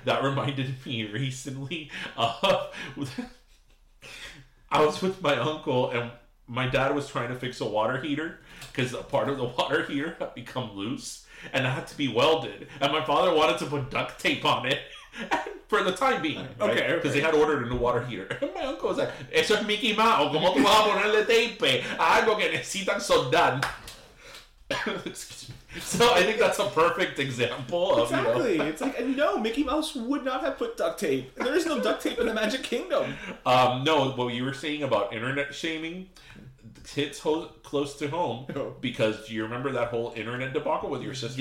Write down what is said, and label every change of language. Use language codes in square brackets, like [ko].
[en] That reminded me recently of... I was with my uncle, and my dad was trying to fix a water heater, because a part of the water heater had become loose, and it had to be welded. And my father wanted to put duct tape on it, for the time being. Right? Okay. Because they had ordered a new water heater. And my uncle was like, except Mickey Mouse, [es] ¿cómo tú vas a ponerle tape? Algo que necesitan soldar. [en] Excuse me. So I think that's a perfect example of, exactly. You know, it's like, and no, Mickey Mouse would not have put duct tape. There is no duct tape in the Magic Kingdom. No, what you were saying about internet shaming hits close to home, because do you remember that whole internet debacle with your sister?